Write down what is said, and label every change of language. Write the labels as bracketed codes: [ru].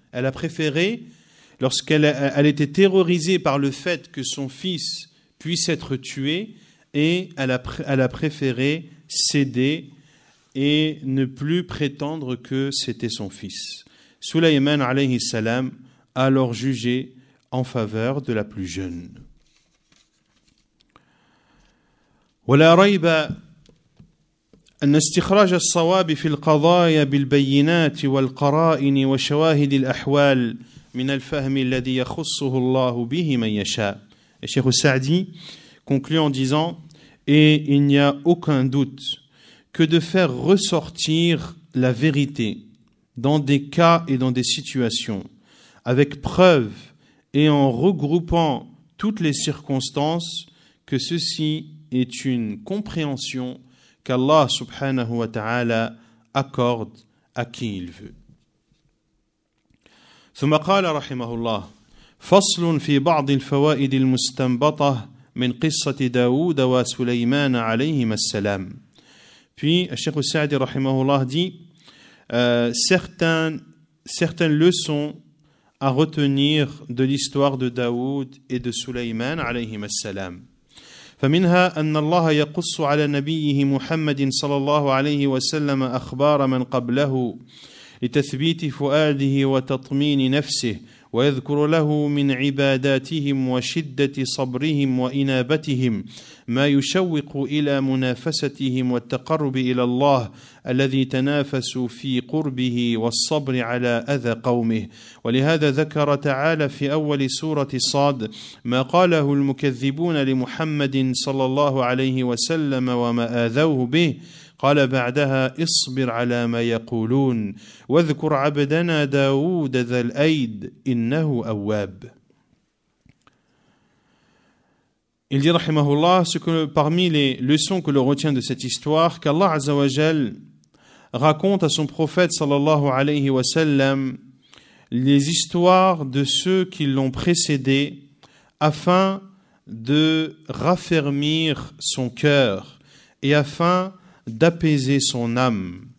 [fr] Elle a préféré, lorsqu'elle était terrorisée par le fait que son fils puisse être tué, et elle a préféré céder et ne plus prétendre que c'était son fils. Sulayman alayhi salam a alors jugé en faveur de la plus jeune. [ar] ولا ريب أن استخراج الصواب في القضايا بالبينات والقرائن وشواهد الأحوال من الفهم الذي يخصه الله به من يشاء. [fr] Cheikh Saadi conclut en disant, et il n'y a aucun doute que de faire ressortir la vérité dans des cas et dans des situations avec preuve et en regroupant toutes les circonstances, que ceci est une compréhension qu'Allah subhanahu wa ta'ala accorde à qui il veut. [ar] ثم قال رحمه الله فصل في بعض الفوائد المستنبطة من قصة داود وسليمان عليهما السلام. [fr] Puis, Cheikh Saadi, rahimahullah, dit certaines leçons à retenir de l'histoire de Daoud et de Sulayman, alayhim as-salam. [ar] فمنها أن الله يقص على نبيه محمد صلى الله عليه وسلم أخبار من قبله لتثبيت فؤاده وتطمين نفسه ويذكر له من عباداتهم وشدة صبرهم وإنابتهم ما يشوق إلى منافستهم والتقرب إلى الله الذي تنافسوا في قربه والصبر على أذى قومه. ولهذا ذكر تعالى في أول سورة صاد ما قاله المكذبون لمحمد صلى الله عليه وسلم وما آذوه به، قال بعدها اصبر على ما يقولون واذكر عبدنا داود ذا الأيد إنه أواب. [fr] Il dit, rahimahullah, ce que parmi les leçons que l'on retient de cette histoire, qu'Allah Azza wa Jal raconte à son prophète sallallahu alayhi wa sallam les histoires de ceux qui l'ont précédé afin de raffermir son cœur et afin d'apaiser son âme.